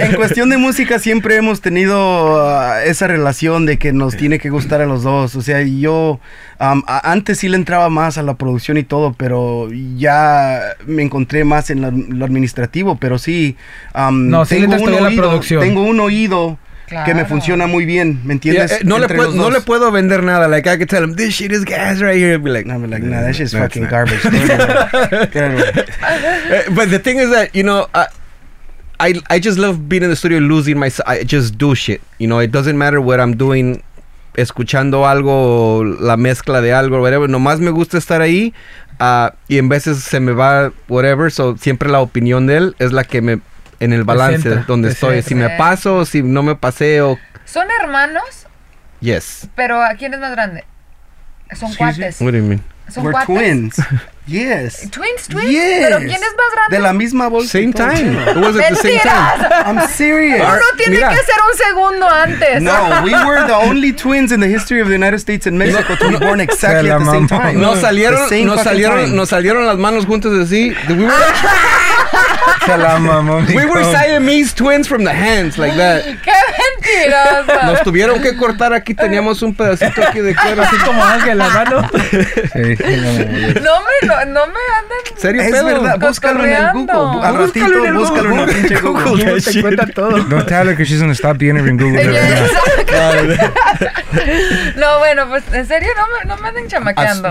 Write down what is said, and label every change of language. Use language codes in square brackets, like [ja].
[es] En cuestión de música siempre hemos tenido esa relación de que nos tiene que gustar a los dos. O sea, yo antes sí le entraba más a la producción y todo, pero ya me encontré más en lo administrativo. Pero sí, tengo un oído... Claro. Que me funciona muy bien, ¿me entiendes? [en] Yeah, [es] no le puedo vender nada. [en] Like, I could tell him, this shit is gas right here. I'd be like, nah, that shit's fucking garbage. But the thing is that, you know, I just love being in the studio, losing myself. I just do shit. You know, it doesn't matter what I'm doing, [es] escuchando algo, la mezcla de algo, [en] whatever. [es] Nomás me gusta estar ahí. Y en veces se me va, [en] whatever. [es] So, siempre la opinión de él es la que me... en el balance donde estoy, si me paso o si no me paseo. ¿Son hermanos? [en] Yes. [es] ¿Pero a quién es más grande? Son cuates. [en] What do you mean? We're [es] cuates. [en] Twins. Yes. Twins. Yes. [es] ¿Pero quién es más grande? De la misma bolsa. [en] Same time. It was at the same time. I'm serious. [es] Uno tiene que ser un segundo antes. [en] No, we were the only twins in the history of the United States and Mexico to be born exactly at the same time. [es] Nos salieron las manos juntos así. [en] We were Siamese twins from the hands, like that. [es] ¡Qué mentiroso! Nos tuvieron que cortar aquí, teníamos un pedacito aquí de cuero, así como Ángel, la mano. No me anden. ¿Serio, es pedo? Verdad, búscalo en el Google. Al ratito, búscalo en el Google. Te cuenta todo. [en] Don't tell her because she's going to stop being in Google. [es] No, bueno, pues en serio, no me anden chamaqueando.